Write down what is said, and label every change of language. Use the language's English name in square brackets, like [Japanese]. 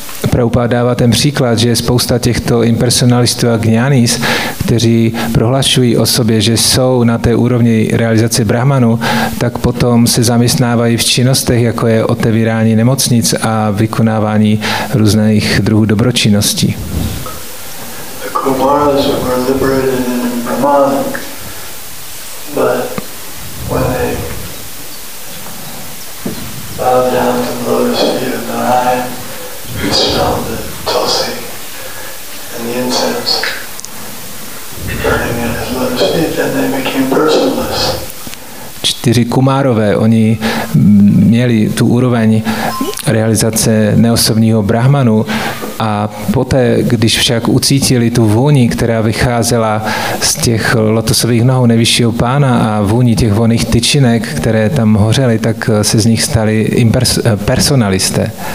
[Czech] Prabhupada dává ten příklad, že spousta těchto impersonalistů a gnanis, kteří prohlašují o sobě, že jsou na té úrovni realizace brahmanu, tak potom se zaměstnávají v činnostech, jako je otevírání nemocnic a vykonávání různých druhů dobročinností. [English] Kumaras were liberated in Brahman, but when they bowed down to the lotus feet of Narayan, they smelled the tulsi and the incense burning at his lotus feet, and they became personless. [Czech] Čtyři kumárové, oni měli tu úroveň realizace neosobního brahmanu a poté, když však ucítili tu vůni, která vycházela z těch lotosových nohou nejvyššího pána a vůni těch voných tyčinek, které tam hořely, tak se z nich stali personalisté.